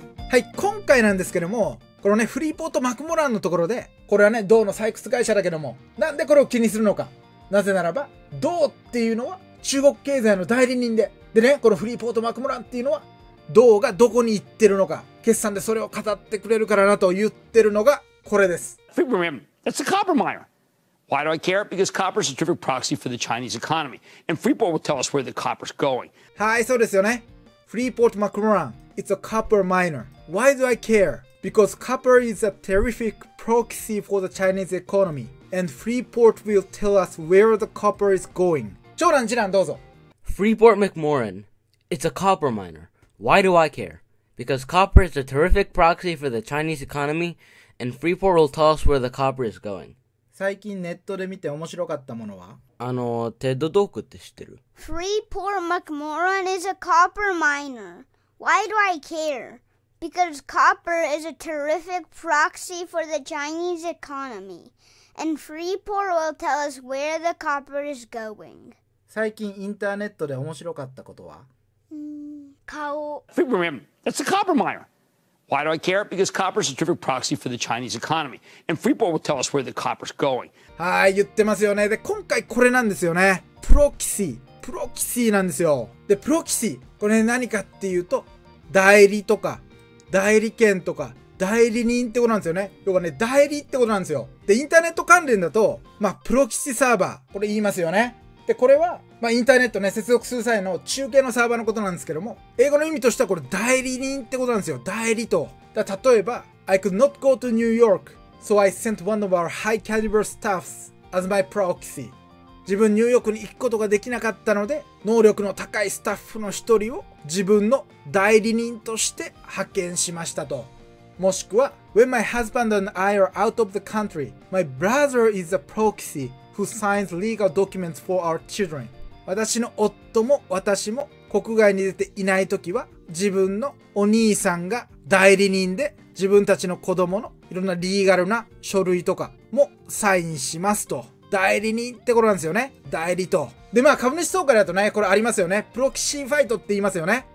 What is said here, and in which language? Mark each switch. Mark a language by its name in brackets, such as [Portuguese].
[Japanese] はい、今回なんですけども、このね、フリーポート・マクモランのところで、これはね、銅の採掘会社だけども、なんでこれを気にするのか。なぜならば、銅っていうのは中国経済の代理人で、でね、このフリーポート・マクモランっていうのは、銅がどこに行ってるのか、決算でそれを語ってくれるからなと言ってるのが、これです。 [English] フリーポート・マクモラン、It's a copper mine. Why do I care? Because copper is a terrific proxy for the Chinese economy. And Freeport will tell us where the copper's going. [Japanese] はい、そうですよね。 [English] フリーポート・マクモラン、It's a copper mine. Why do I care? Because copper is a terrific proxy for the Chinese economy. And Freeport will tell us where the copper is going. [Japanese] 長男、次男、どうぞ。 [English] Freeport McMoRan. It's a copper miner. Why do I care? Because copper is a terrific proxy for the Chinese economy. And Freeport will tell us where the copper is going. [Japanese] 最近ネットで見て面白かったものは？あの、テッドトークって知ってる？ [English] Freeport McMoRan is a copper miner. Why do I care? Because copper is a terrific proxy for the Chinese economy. And Freeport will tell us where the copper is going. [Japanese] 最近インターネットで面白かったことは？顔。 [English] Freeport, that's a copper miner. Why do I care? Because copper is a terrific proxy for the Chinese economy. And Freeport will tell us where the copper is going. [Japanese] はい、言ってますよね。で、今回これなんですよね。 Proxy。 Proxy なんですよ。で、Proxy。これ何かっていうと、代理とか。代理権とか代理人ってことなんですよね。要はね、代理ってことなんですよ。で、インターネット関連だと、まあ、プロキシサーバー、これ言いますよね。で、これは、まあ、インターネットね、接続する際の中継のサーバーのことなんですけども、英語の意味としてはこれ、代理人ってことなんですよ。代理と。だ例えば、 [English] I could not go to New York, so I sent one of our high caliber staffs as my proxy. [Japanese] 自分、ニューヨークに行くことができなかったので、能力の高いスタッフの一人を自分の代理人として派遣しましたと。もしくは、 [English] When my husband and I are out of the country, my brother is a proxy who signs legal documents for our children. [Japanese] 私の夫も私も国外に出ていないときは、自分のお兄さんが代理人で、自分たちの子供のいろんなリーガルな書類とかもサインしますと。代理人ってことなんですよね。代理と。で、まあ、株主総会だとね、これありますよね。プロキシーファイトって言いますよね。